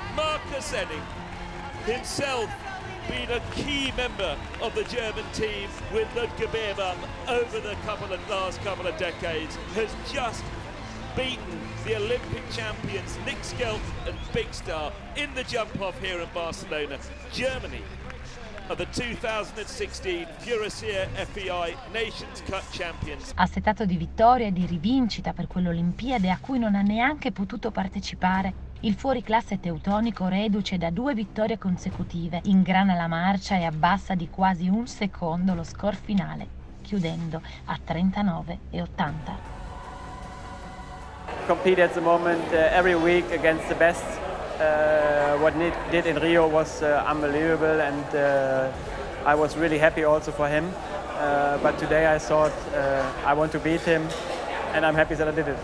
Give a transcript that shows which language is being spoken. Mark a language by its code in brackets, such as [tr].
[en] Markus Henning himself been a key member of the German team with Ludger Beerbohm over the last couple of decades, has just beaten the Olympic champions Nick Skelton and Big Star in the jump off here in Barcelona. Germany of the 2016 Purasir FEI Nations Cup Champions. [it] Assetato di vittoria e di rivincita per quell'Olimpiade a cui non ha neanche potuto partecipare, il fuoriclasse teutonico reduce da 2 vittorie consecutive, ingrana la marcia e abbassa di quasi un secondo lo score finale, chiudendo a 39,80. [en] Compete at the moment every week against the best. What Nick did in Rio was unbelievable, and I was really happy also for him. But today I thought I want to beat him, and I'm happy that I did it.